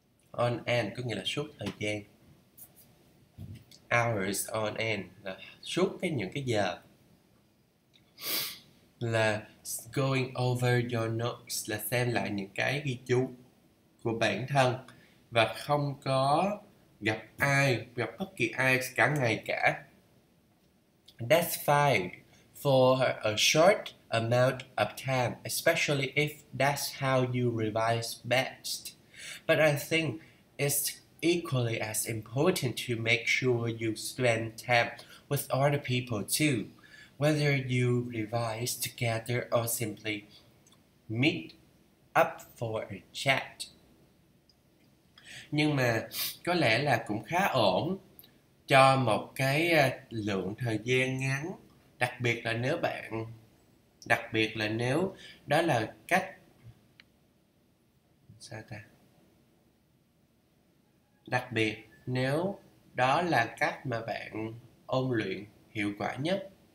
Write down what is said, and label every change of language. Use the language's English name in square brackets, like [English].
[English] On end [Vietnamese] có nghĩa là suốt thời gian. [English] Hours on end [Vietnamese] là suốt cái những cái giờ. Là [English] going over your notes [Vietnamese] là xem lại những cái ghi chú của bản thân và không có gặp ai, gặp bất kỳ ai cả ngày cả. [English] That's fine for a short amount of time, especially if that's how you revise best. But I think it's equally as important to make sure you spend time with other people too, whether you revise together or simply meet up for a chat. [Vietnamese] Nhưng mà có lẽ là cũng khá ổn cho một cái lượng thời gian ngắn, đặc biệt là nếu đó là cách sao ta, đặc biệt nếu đó là cách mà bạn ôn luyện hiệu quả nhất.